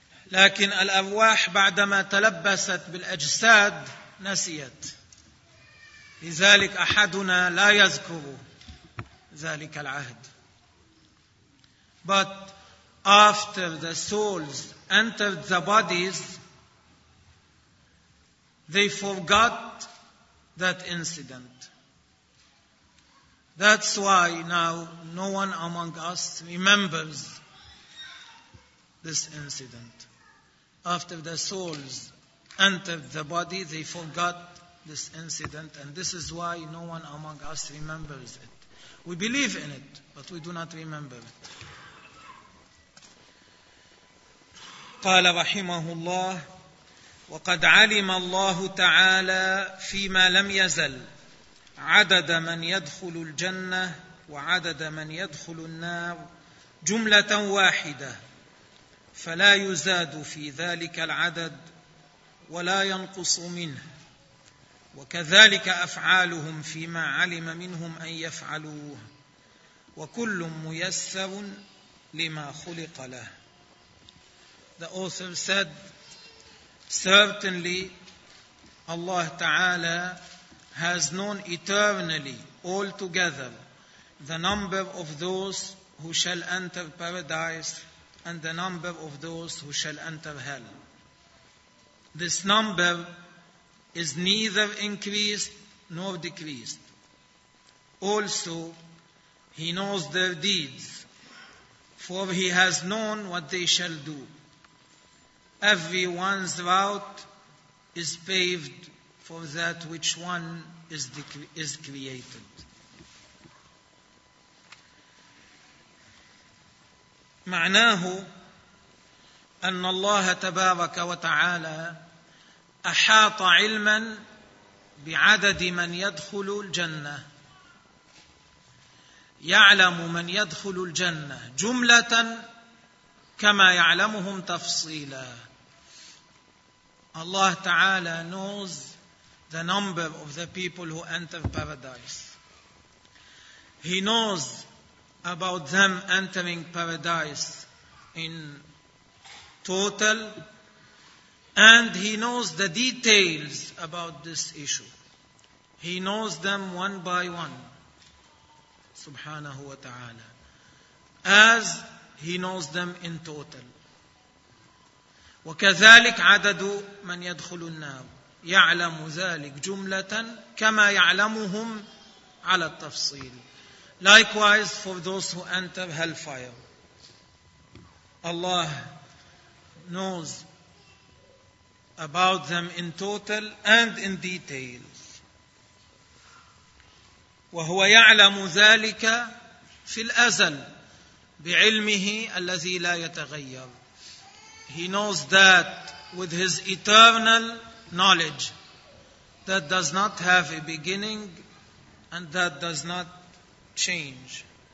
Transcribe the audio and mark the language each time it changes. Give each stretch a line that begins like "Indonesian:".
Arabic: لكن الأرواح بعدما تلبست بالأجساد نسيت، لذلك أحدنا لا يذكر ذلك العهد.
English: But after the souls entered the bodies, they forgot that incident. That's why now no one among us remembers this incident. After the souls entered the body, they forgot this incident, and this is why no one among us remembers it. We believe in it, but we do not remember it.
Arabic: قال رحمه الله وقد علم الله تعالى فيما لم يزل عدد من يدخل الجنة وعدد من يدخل النار جملة واحدة فلا يزاد في ذلك العدد ولا ينقص منه وكذلك أفعالهم فيما علم منهم أن يفعلوه وكل ميسر لما خلق له.
English: The author said, certainly Allah Ta'ala has known eternally altogether the number of those who shall enter paradise and the number of those who shall enter hell. This number is neither increased nor decreased. Also, he knows their deeds, for he has known what they shall do. Everyone's route is paved for that which one is created.
Arabic: معناه أن الله تبارك وتعالى أحاط علما بعدد من يدخل الجنة، يعلم من يدخل الجنة جملة كما يعلمهم تفصيلا.
English: Allah Ta'ala knows the number of the people who enter paradise. He knows about them entering paradise in total, and he knows the details about this issue. He knows them one by one, subhanahu wa ta'ala, as he knows them in total.
Arabic: وكذلك عدد من يدخل النار يعلم ذلك جملة كما يعلمهم على التفصيل.
English: Likewise for those who enter hellfire, Allah knows about them in total and in details.
Arabic: وهو يعلم ذلك في الأزل بعلمه الذي لا يتغير.
English: He knows that with his eternal knowledge that does not have a beginning and that does not change.